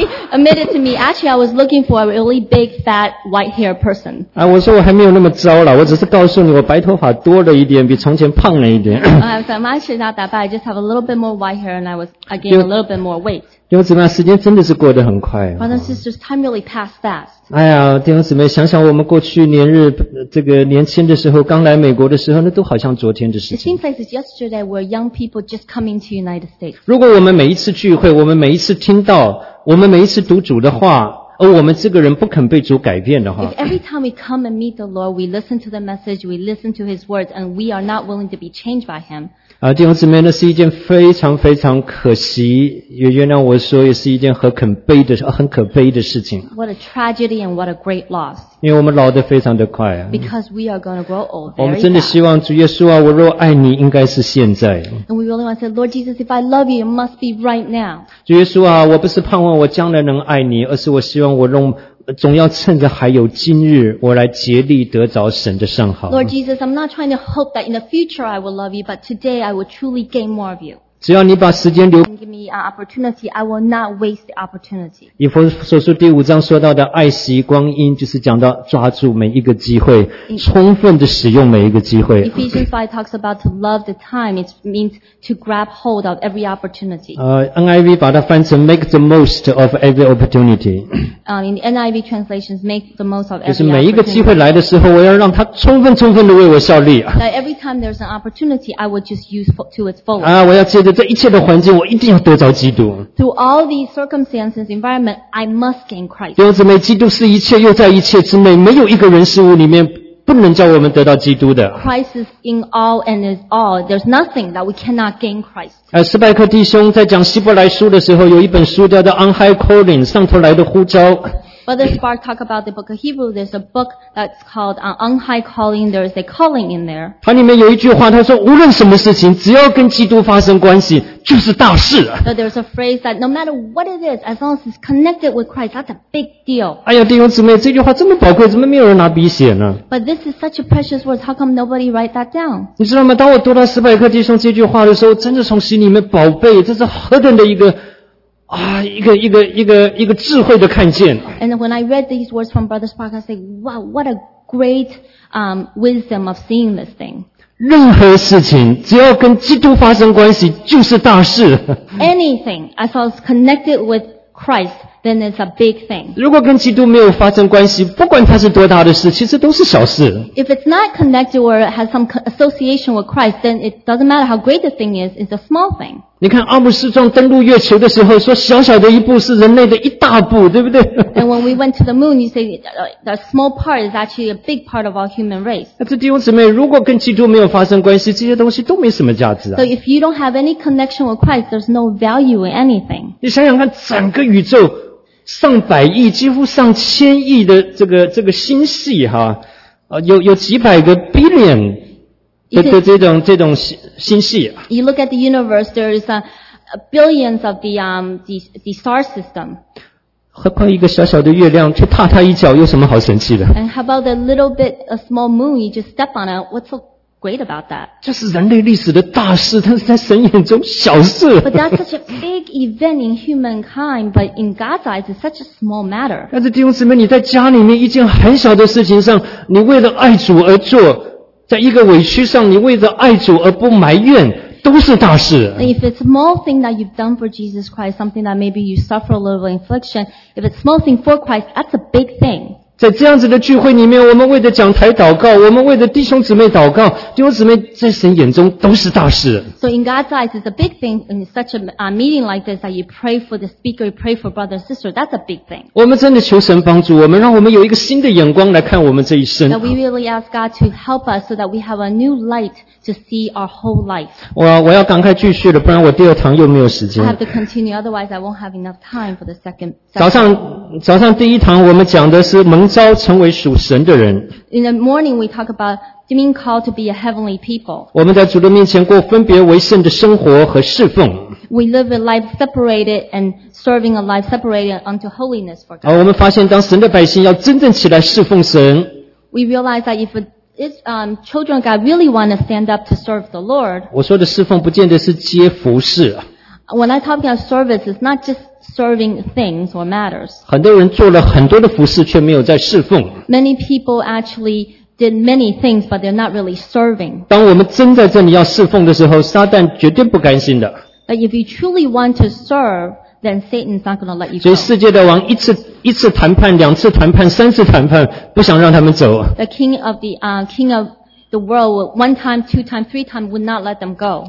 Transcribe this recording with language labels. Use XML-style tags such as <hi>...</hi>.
<en>Admitted to me, actually I was looking for a really big, fat, white-haired person.</en> <zh>啊，我说我还没有那么糟了，我只是告诉你我白头发多了一点，比从前胖了一点。</zh> <en>I said, I'm actually not that bad, I just have a little bit more white hair and I gained a little bit more weight.</en> <zh>弟兄姊妹，时间真的是过得很快。</zh> <en>Brothers and sisters, time really passed fast.</en> <zh>哎呀，弟兄姊妹，想想我们过去年日这个年轻的时候，刚来美国的时候，那都好像昨天的事情。</zh> <en>It seems like yesterday we're young people just coming to United States.</en> <zh>如果我们每一次聚会，我们每一次听到我们每一次读主的话，而我们这个人不肯被主改变的话，</zh> <en>If every time we come and meet the Lord, we listen to the message, we listen to His words, and we are not willing to be changed by Him.</en> <zh>啊，弟兄姊妹，那是一件非常非常可惜，也原谅我说，也是一件很可悲的事情。</zh> <en>What a tragedy and what a great loss.</en> <zh>因为我们老得非常的快啊。</zh> <en>Because we are going to grow old.</en> <zh>我们真的希望主耶稣啊，我若爱你，应该是现在。</zh> <en>And we really want to say, Lord Jesus, if I love you, it must be right now.</en> <zh>主耶稣啊，我不是盼望我将来能爱你，而是我希望我用总要趁着还有今日，我来竭力得着神的圣好。</zh> <en>Lord Jesus, I'm not trying to hope that in the future I will love you, but today I will truly gain more of you.</en> <zh>只要你把时间留</zh> <en>，Give me an opportunity, I will not waste the opportunity.</en> <zh>以弗所书第五章说到的爱惜光阴，就是讲到抓住每一个机会，充分的使用每一个机会。</zh> <en>Ephesians 5 talks about to love the time. It means to grab hold of every opportunity. NIV</en> <zh>把它翻成</zh> <en>make the most of every opportunity. In the NIV translations, make the most of every.</en> <zh>就是每一个机会来的时候，我要让它充分的为我效力。</zh> <en>That every time there's an opportunity, I would just use to its fullest.</en> <zh>啊，我要借着这一切的环境，我一定要得着基督。</zh> <en>Through all these circumstances, environment, I must gain Christ.</en> <zh>弟兄姊妹，基督是一切，又在一切之内，没有一个人事物里面不能叫我们得到基督的。</zh> <en>Christ is in all and is all. There's nothing that we cannot gain Christ.</en> <zh>斯派克弟兄在讲希伯来书的时候，有一本书叫做《On High Calling》，上头来的呼召。</zh> <en>Brother Spark talk about the book of Hebrew. There's a book that's called On High Calling. There is a calling in there.</en> <zh>它里面有一句话，他说无论什么事情，只要跟基督发生关系，就是大事。</zh> <en>So there's a phrase that no matter what it is, as long as it's connected with Christ, that's a big deal.</en> <zh>哎呀，弟兄姊妹，这句话这么宝贵，怎么没有人拿笔写呢？</zh> <en>But this is such a precious word. How come nobody write that down?</en> <zh>你知道吗？当我读到斯派克弟兄这句话的时候，真的从心里面宝贝，这是何等的一个。啊，一个智慧的看见。</zh> <en>And when I read these words from Brother Spark, I say, wow, what a great, wisdom of seeing this thing.</en> <zh>任何事情，只要跟基督发生关系，就是大事。</zh> <en>Anything, as long as connected with Christ, then it's a big thing.</en> <zh>如果跟基督没有发生关系，不管它是多大的事，其实都是小事。</zh> <en>If it's not connected or has some association with Christ, then it doesn't matter how great the thing is, it's a small thing.</en> <zh>你看阿姆斯壮登陆月球的时候说小小的一步是人类的一大步，对不对？</zh> <en>And when we went to the moon, you say the small part is actually a big part of our human race.</en> <zh>那这弟兄姊妹，如果跟基督没有发生关系，这些东西都没什么价值啊。</zh> <en>So if you don't have any connection with Christ, there's no value in anything.</en> <zh>你想想看，整个宇宙上百亿，几乎上千亿的这个星系哈，有几百个 billion。这种星系。</zh> <en>You look at the universe, there is billions of the star system.</en> <zh>何况一个小小的月亮，去踏它一脚，有什么好神奇的</zh> <en>？And how about a small moon? You just step on it. What's so great about that?</en> <zh>这是人类历史的大事，但是在神眼中小事。</zh> <en>But that's such a big event in humankind, but in God's eyes, it's such a small matter.</en> <zh>但是弟兄姊妹，你在家里面一件很小的事情上，你为了爱主而做。在一个委屈上，你为着爱主而不埋怨，都是大事。</zh> <en>If it's a small thing that you've done for Jesus Christ, something that maybe you suffer a little affliction, if it's a small thing for Christ, that's a big thing.</en> <zh>在这样子的聚会里面，我们为着讲台祷告，我们为着弟兄姊妹祷告，弟兄姊妹在神眼中都是大事。</zh> <en>So in God's eyes, it's a big thing in such a meeting like this that you pray for the speaker, you pray for brother and sister. That's a big thing.</en> <zh>我们真的求神帮助我们，让我们有一个新的眼光来看我们这一生。</zh> <en>That we really ask God to help us so that we have a new light to see our whole life.</en> <zh>我要赶快继续了，不然我第二堂又没有时间。</zh> <en>I have to continue, otherwise I won't have enough time for the second.</en> <zh>早上第一堂我们讲的是蒙。召成为属神的人。</zh> <en>In the morning, we talk about being called to be a heavenly people.</en> <zh>我们在主的面前过分别为圣的生活和侍奉。</zh> <en>We live a life separated and serving a life separated unto holiness for God.</en> <zh>我们发现当神的百姓要真正起来侍奉神。</zh> <en>We realize that if it's, children of God really want to stand up to serve the Lord.</en> <zh>我说的侍奉不见得是接服侍。</zh> <en>When I talk about service, it's not just serving things or matters.</en> <zh>很多人做了很多的服事却没有在侍奉。</zh> <en>Many people actually did many things, but they're not really serving.</en> <zh>当我们真在这里要侍奉的时候，撒旦绝对不甘心的。</zh> <en>But if you truly want to serve, then Satan's not going to let you go.</en> <zh>所以世界的王一次谈判，两次谈判，三次谈判，不想让他们走。</zh> <en>The king of the, king of,The world one time, two time, three time would not let them go.</en>